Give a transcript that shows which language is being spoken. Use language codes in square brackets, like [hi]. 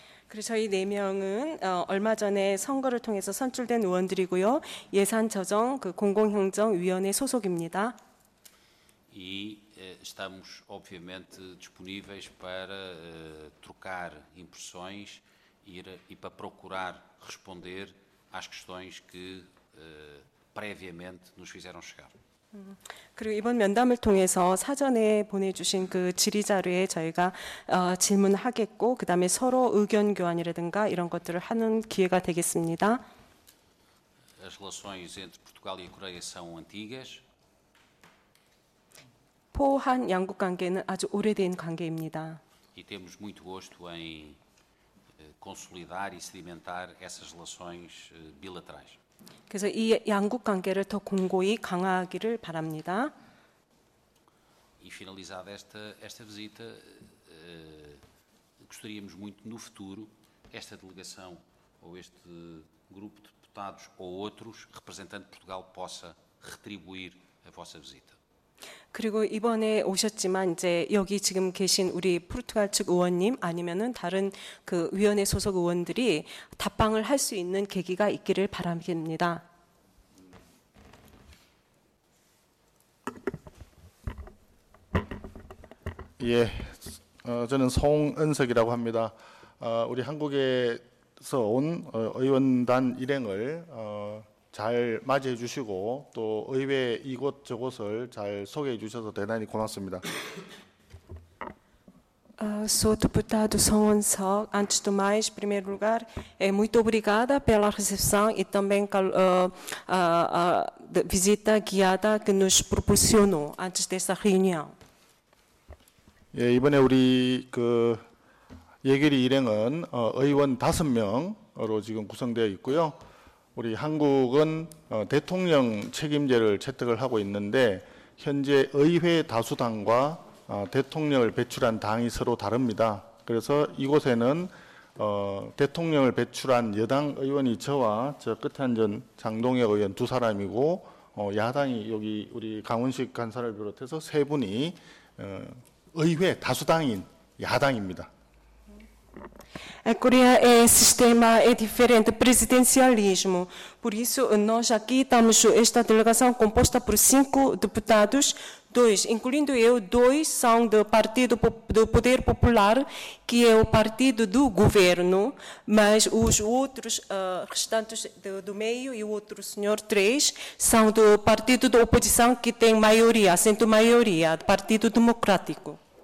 [ko] 그리고 저희 네 명은 얼마 전에 선거를 통해서 선출된 의원들이고요. 예산 저정 그 공공행정 위원회 소속입니다. [pt] E estamos obviamente disponíveis para trocar impressões e para procurar responder às questões que previamente nos fizeram chegar. [ko] 그리고 이번 면담을 통해서 사전에 보내주신 그 질의 자료에 저희가 질문하겠고 그 다음에 서로 의견 교환이라든가 이런 것들을 하는 기회가 되겠습니다. [pt] As relações entre Portugal e Coreia são antigas. [ko] 포한 양국 관계는 아주 오래된 관계입니다. [pt] E temos muito gosto em consolidar e sedimentar essas relações bilaterais. [ko] 그래서 이 양국 관계를 더 공고히 강화하기를 바랍니다. [pt] E finalizada esta visita, gostaríamos muito no futuro esta delegação ou este grupo de deputados ou outros representando Portugal possa retribuir a vossa visita. [ko] 그리고 이번에 오셨지만 이제 여기 지금 계신 우리 포르투갈 측 의원님 아니면은 다른 그 위원회 소속 의원들이 답방을 할 수 있는 계기가 있기를 바랍니다. Yeah. 저는 송은석이라고 합니다. 우리 한국에서 온 의원단 일행을 잘 맞이해 주시고 또 의회 이곳 저곳을 잘 소개해 주셔서 대단히 고맙습니다. [pt] Sou deputado Songwon-seok. Antes de mais, em primeiro lugar, é muito obrigada pela recepção e também a visita guiada que nos proporcionou antes dessa reunião. [ko] 예, 이번에 우리 그 예결위 일행은 의원 5명으로 지금 구성되어 있고요. 우리 한국은 대통령 책임제를 채택을 하고 있는데 현재 의회 다수당과 대통령을 배출한 당이 서로 다릅니다. 그래서 이곳에는 대통령을 배출한 여당 의원이 저와 저 끝에 앉은 장동혁 의원 두 사람이고 야당이 여기 우리 강훈식 간사를 비롯해서 세 분이 의회 다수당인 야당입니다. [pt] A Coreia é sistema, é diferente, presidencialismo. Por isso, nós aqui estamos, esta delegação composta por 5 deputados, 2, incluindo eu, 2 são do Partido do Poder Popular, que é o partido do governo, mas os outros restantes do meio e o outro senhor, 3, são do partido da oposição, que tem maioria, sendo maioria, Partido Democrático.